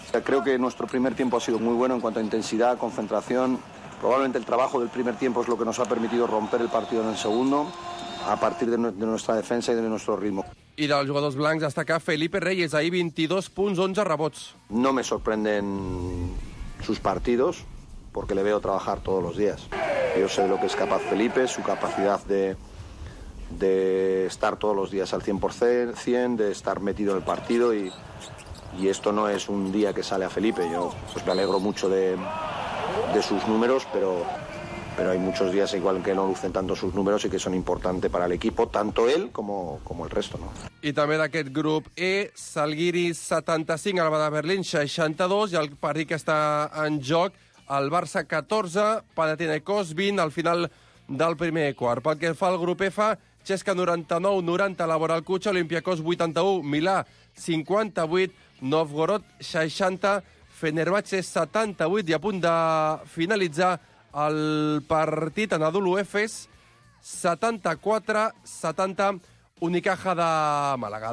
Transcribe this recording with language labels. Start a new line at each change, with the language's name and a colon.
Spanish: Creo que nuestro primer tiempo ha sido muy bueno en cuanto a intensidad, concentración. Probablemente el trabajo del primer tiempo es lo que nos ha permitido romper el partido en el segundo a partir de nuestra defensa y de nuestro ritmo.
Catalan: I dels jugadors blancs destacar Felipe Reyes, ahir 22 punts, 11 rebots.
Spanish: No me sorprenden sus partidos porque le veo trabajar todos los días. Yo sé lo que es capaz Felipe, su capacidad de estar todos los días al 100%, de estar metido en el partido y esto no es un día que sale a Felipe. Yo pues me alegro mucho de sus números, pero hay muchos días igual que no lucen tanto sus números y que son importantes para el equipo, tanto él como el resto, ¿no?
Catalan: I també d'aquest grup E, Salgiris 75, Alba de Berlín 62, i el partit que està en joc, el Barça 14, Panathinaikos 20, al final del primer quart. Pel que fa al grup F, Xesca 99-90, Laboral Cucha, Olympiacos 81, Milà 58, Novgorod 60, Fenerbahçe 78, i a punt de finalitzar el partit, Anadolu Efes 74-70, Unicaja de Màlaga.